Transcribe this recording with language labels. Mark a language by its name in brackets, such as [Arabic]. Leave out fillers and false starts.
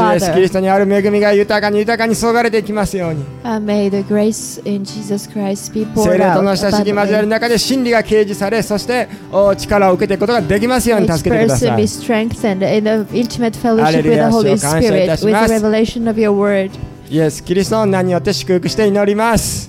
[Japanese] イエスキリストにある恵みが豊かに注がれていきますように。 [English] May the grace in Jesus Christ be poured out. [Japanese] 聖霊との親しき交わりの中で真理が掲示され、そして力を受けていくことができますように助けてください。 [English] Each person be strengthened in the intimate fellowship with the Holy Spirit with the revelation of your word. [Japanese] イエスキリストの名によって祝福して祈ります。